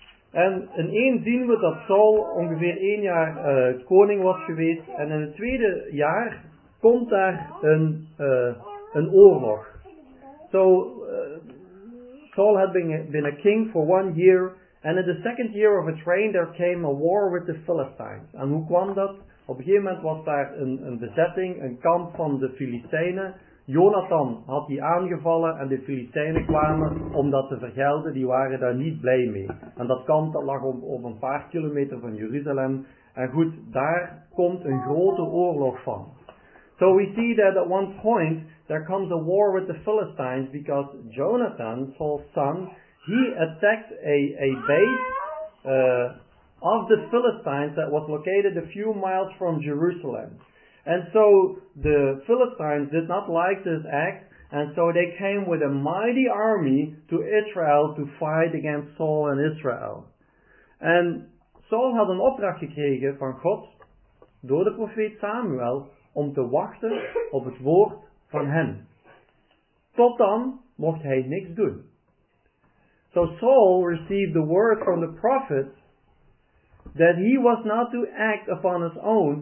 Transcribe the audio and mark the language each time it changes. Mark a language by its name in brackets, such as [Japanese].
[Dutch] En ineens zien we dat Saul ongeveer 1 jaar koning was geweest. En in het tweede jaar komt daar een oorlog. [English] Saul had been a king for 1 year, and in the second year of his reign there came a war with the Philistines. [Dutch] En hoe kwam dat? Op een gegeven moment was daar een bezetting, een kamp van de Filistijnen. Jonathan had die aangevallen en de Filistijnen kwamen om dat te vergelden. Die waren daar niet blij mee. En dat kamp dat lag op een paar kilometer van Jeruzalem. En goed, daar komt een grote oorlog van. [English] So we see that at one point there comes a war with the Philistines because Jonathan, Saul's son, he attacked a base of the Philistines that was located a few miles from Jerusalem. And so the Philistines did not like this act, and so they came with a mighty army to Israel to fight against Saul and Israel. And Saul had an [Dutch] opdracht gekregen van God door de profeet Samuel om te wachten op het woord van hen. Tot dan mocht hij niks doen. [English] So Saul received the word from the prophet that he was not to act upon his own.